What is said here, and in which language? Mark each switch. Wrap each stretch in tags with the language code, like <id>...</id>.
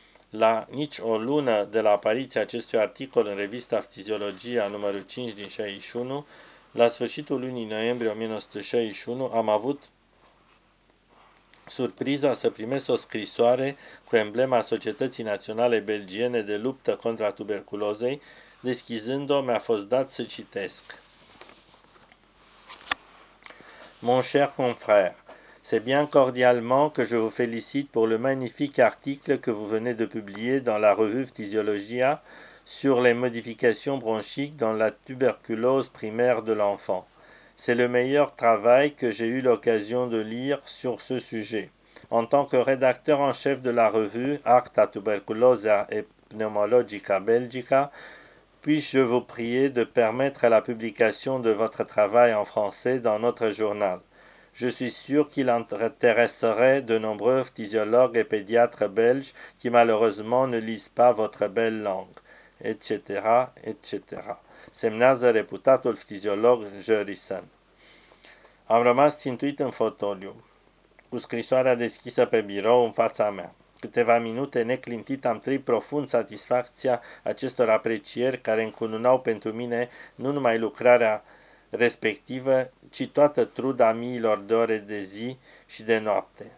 <ro>La nici o lună de la apariția acestui articol în revista Fiziologia numărul 5 din 61, la sfârșitul lunii noiembrie 1961, am avut surpriza să primesc o scrisoare cu emblema Societății Naționale Belgiene de Luptă contra Tuberculozei. Deschizând-o, mi-a fost dat să citesc.</ro> <fr>Mon cher confrère, c'est bien cordialement que je vous félicite pour le magnifique article que vous venez de publier dans la revue Physiologia sur les modifications bronchiques dans la tuberculose primaire de l'enfant. C'est le meilleur travail que j'ai eu l'occasion de lire sur ce sujet. En tant que rédacteur en chef de la revue Acta Tuberculosa e Pneumologica Belgica, puis-je vous prier de permettre la publication de votre travail en français dans notre journal? Je suis sûr qu'il intéresserait de nombreux physiologues et pédiatres belges qui malheureusement ne lisent pas votre belle langue, etc., etc.</fr> <ro>Semnează reputatul fiziolog Jurison. Am rămas țintuit în fotoliu, cu scrisoarea deschisă pe birou în fața mea. Câteva minute neclintit am trăit profund satisfacția acestor aprecieri care încununau pentru mine nu numai lucrarea respectivă, ci toată truda miilor de ore de zi și de noapte.</ro>